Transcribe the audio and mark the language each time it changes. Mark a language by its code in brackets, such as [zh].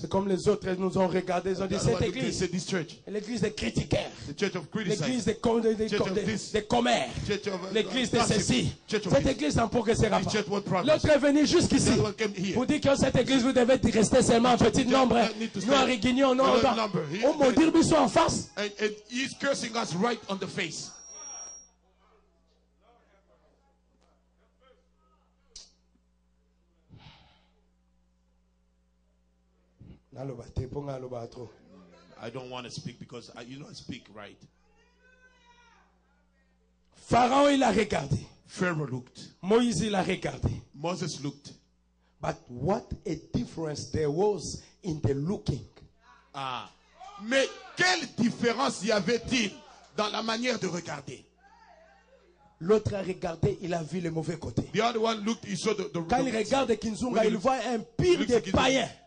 [fr] C'est comme les autres nous ont regardé. Ils ont dit cette église. [en] This church. [fr] L'église des critiqueurs. [en] The church of criticism. [fr] L'église des commères. [en] Church of [fr] l'église de ceci. [en] Church of [fr] cette église n'en progressera pas. [en] Church won't progress. [fr] L'autre est venu jusqu'ici. Vous dites que cette église vous devez rester seulement un petit nombre. Nous en réguignons, non, non. On m'a dit qu'ils sont en face. [en] And he's cursing us right on the face. I don't want to speak because you don't speak right. [fr] Pharaon il a regardé. [en] Pharaoh looked. [fr] Moïse il a regardé. [en] Moses looked. But what a difference there was in the looking. Ah. [fr] Mais quelle différence y avait-il dans la manière de regarder? L'autre a regardé, il a vu le mauvais côté. [en] The other one looked, he saw the [fr] quand il regarde Kinzunga, il voit un pire des païens.